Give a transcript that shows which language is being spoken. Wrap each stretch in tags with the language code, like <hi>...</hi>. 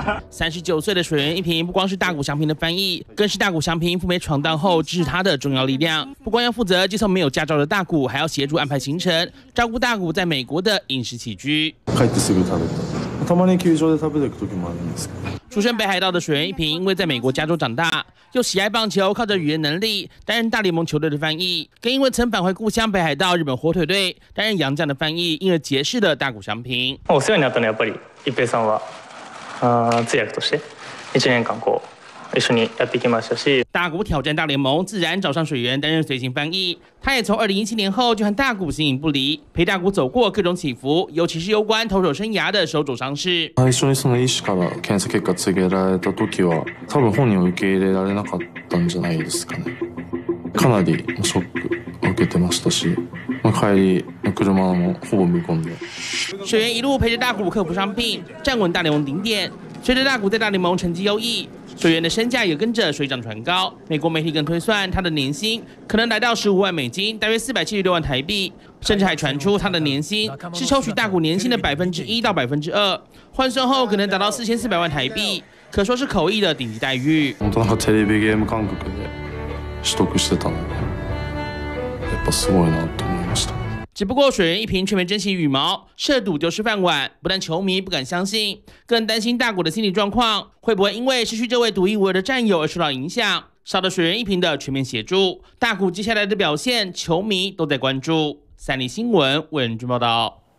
<zh>39岁的水源一平，不光是大谷翔平的翻译，更是大谷翔平赴美闯荡后支持他的重要力量。不光要负责接送没有驾照的大谷，还要协助安排行程，照顾大谷在美国的饮食起居。</zh> <ja>帰ってすぐ食べた。たまに球場で食べていく時もあるんですけど。</ja> <zh>出身北海道的水源一平，因为在美国加州长大，又喜爱棒球，靠着语言能力担任大联盟球队的翻译，更因为曾返回故乡北海道日本火腿队担任洋将的翻译，因而结识了大谷翔平。</zh> <ja>お世話になったね、やっぱり一平さんは、通訳として1年間こう一緒にやってきましたし。</ja> <zh>大谷挑战大联盟，自然找上水源担任随行翻译。他也从2017年后就和大谷形影不离，陪大谷走过各种起伏，尤其是攸关投手生涯的手肘伤势。</zh> <ja>最初にその医師から検査結果告げられた時は、多分本人は受け入れられなかったんじゃないですかね。かなりショック受けてましたし、帰り車もほぼ無言で。</ja> <zh>水源一路陪着大谷克服伤病，站稳大联盟顶点。随着大谷在大联盟成绩优异，水源的身价也跟着水涨船高。美国媒体更推算他的年薪可能来到15万美金，大约476万台币，甚至还传出他的年薪是抽取大谷年薪的1%到2%，换算后可能达到4400万台币，可说是口译的顶级待遇。</zh> <ja>本当テレビゲーム感覚で取得してたので、やっぱすごいなと思いました。</ja> <zh>只不过水源一平却没珍惜羽毛，涉赌就是饭碗，不但球迷不敢相信，更担心大谷的心理状况会不会因为失去这位独一无二的战友而受到影响。少了水源一平的全面协助，大谷接下来的表现球迷都在关注。三立新闻文俊报道。</zh>